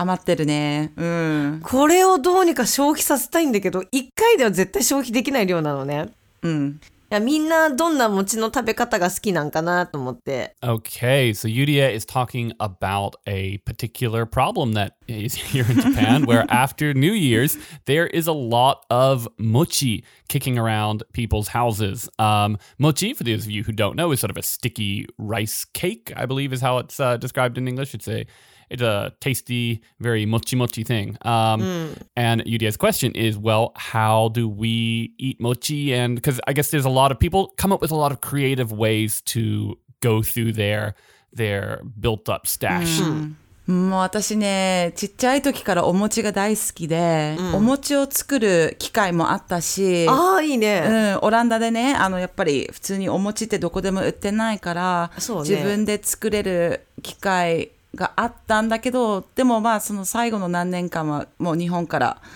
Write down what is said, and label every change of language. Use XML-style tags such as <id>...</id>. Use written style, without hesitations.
<ja>余ってるね。これをどうにか消費させたいんだけど、一回では絶対消費できない量なのね。いや、みんなどんな餅の食べ方が好きなんかなと思って。</ja> <en>Okay, so Yuria is talking about a particular problem that is here in Japan, where after New Year's, there is a lot of mochi kicking around people's houses. Mochi, for those of you who don't know, is sort of a sticky rice cake, I believe is how it's described in English. It's a tasty, very mochi-mochi thing. And Yuria's question is, well, how do we eat mochi? And because I guess there's a lot of people come up with a lot of creative ways to go through their built-up stash.</en> <ja>もう私ね、ちっちゃい時からお餅が大好きで、お餅を作る機会もあったし、ああ、いいね。オランダでね、あの、やっぱり普通にお餅ってどこでも売ってないから、そうね、自分で作れる機会、があったんだけど、でもまあその最後の何年間はもう日本から</ja>